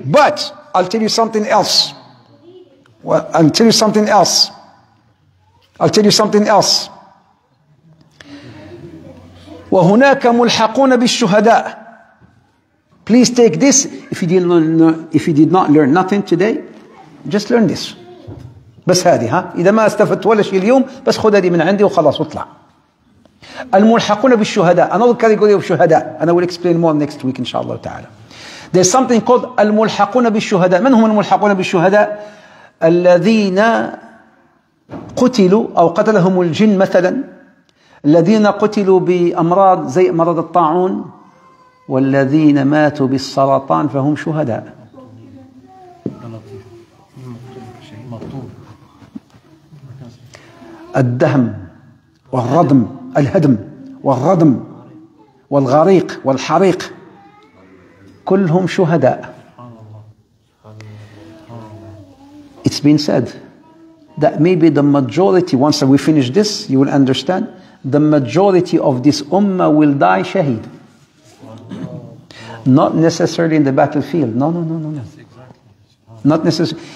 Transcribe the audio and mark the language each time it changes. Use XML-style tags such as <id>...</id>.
<en>But I'll tell you something else.</en> <ar>وهناك ملحقون بالشهداء.</ar> <en>Please take this. If you did not learn nothing today, just learn this.</en> <ar>بس هذه ها. إذا ما استفدت ولا شيء اليوم, بس خذ هذه من عندي وخلاص وطلع. الملحقون بالشهداء.</ar> <en>Another category of شهداء. And I will explain more next week, inshallah تعالى. There's something called</en> <ar>الملحقون بالشهداء. من هم الملحقون بالشهداء؟ الذين قتلوا أو قتلهم الجن مثلاً. الذين قتلوا بأمراض زي مرض الطاعون والذين ماتوا بالسرطان فهم شهداء. الدهم والردم, الهدم والردم والغريق والحريق, كلهم شهداء.</ar> <en>It's been said that maybe the majority, once we finish this you will understand, the majority of this ummah will die shaheed. Not necessarily in the battlefield. No. Not necessarily.</en>